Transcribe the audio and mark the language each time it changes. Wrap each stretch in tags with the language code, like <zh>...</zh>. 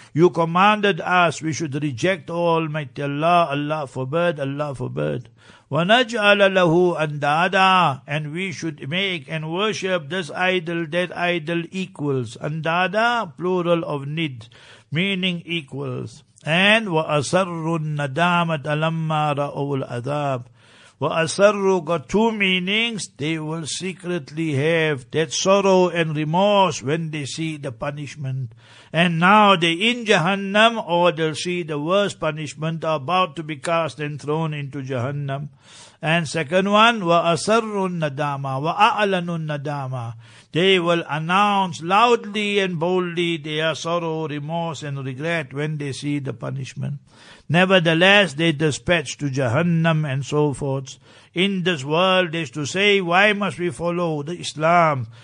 <en>You commanded us we should reject Almighty Allah. Allah forbid, Allah forbid.</en> <ar>وَنَجْعَلَ لَهُ أَنْدَادًا.</ar> <en>And we should make and worship this idol, that idol equals. أَنْدَادًا, plural of nid, meaning equals. And</en> <ar>وَأَسَرُّ النَّدَامَةَ لَمَّا رَأُوا الْعَذَابِ.</ar> <en>وَأَسَرُّ got two meanings. They will secretly have that sorrow and remorse when they see the punishment. And now they in Jahannam, or they'll see the worst punishment, are about to be cast and thrown into Jahannam. And second one,</en> <ar>وَأَسَرُّ النَّدَامَ وَأَعْلَنُ النَّدَامَ.</ar> <en>They will announce loudly and boldly their sorrow, remorse and regret when they see the punishment. Nevertheless, they dispatch to Jahannam and so forth. In this world, they used to say, why must we follow the Islam?</en>